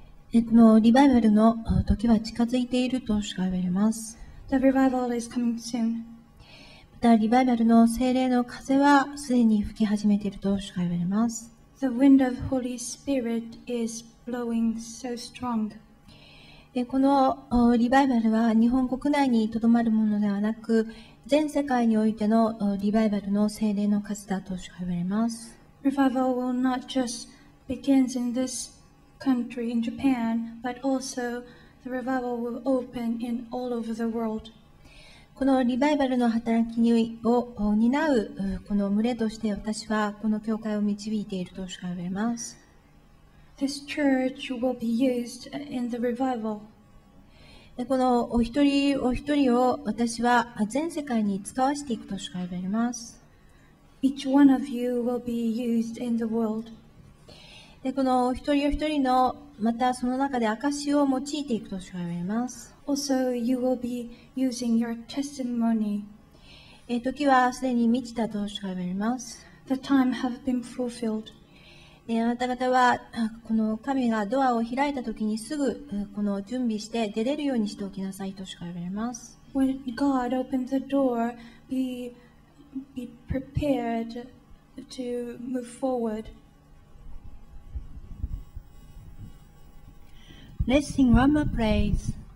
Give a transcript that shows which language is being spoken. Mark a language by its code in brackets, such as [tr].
[ja] このリバイバルの時は近づいていると主が言われます。 [en] The revival is coming soon. [ja] またリバイバルの聖霊の風はすでに吹き始めていると主が言われます。 [en] The wind of Holy Spirit is blowing so strong. [ja] でこのリバイバルは日本国内にとどまるものではなく全世界においてのリバイバルの聖霊の風だと主が言われます。 [en] Revival will not just begin in thisCountry in Japan, but also the revival will open in all over the world. [ja] このリバイバルの働きを担うこの群れとして私はこの教会を導いていると主が言われます。 [en] This church will be used in the revival. [ja] このお一人お一人を私は全世界に使わせていくと主が言われます。 [en] Each one of you will be used in the world. [ja] でこの一人一人のまたその中で証を用いていくと主が言われます。 [en] Also, you will be using your testimony. [ja] 時はすでに満ちたと主が言われます。 [en] The time have been fulfilled. [ja] であなた方はこの神がドアを開いた時にすぐこの準備して出れるようにしておきなさいと主が言われます。 [en] When God opened the door, be prepared to move forward Let's sing one more praise.